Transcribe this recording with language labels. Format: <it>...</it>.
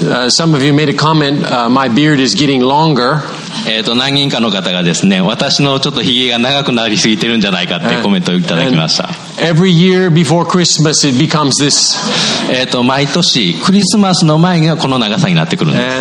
<en>some of you made a comment, my beard is getting longer.</en> <ja>何人かの方がですね、私のちょっとひげが長くなりすぎてるんじゃないかってコメントをいただきました。</ja> <en>Every year before Christmas it becomes this.</en> <ja>毎年クリスマスの前がこの長さになってくるんです。</ja>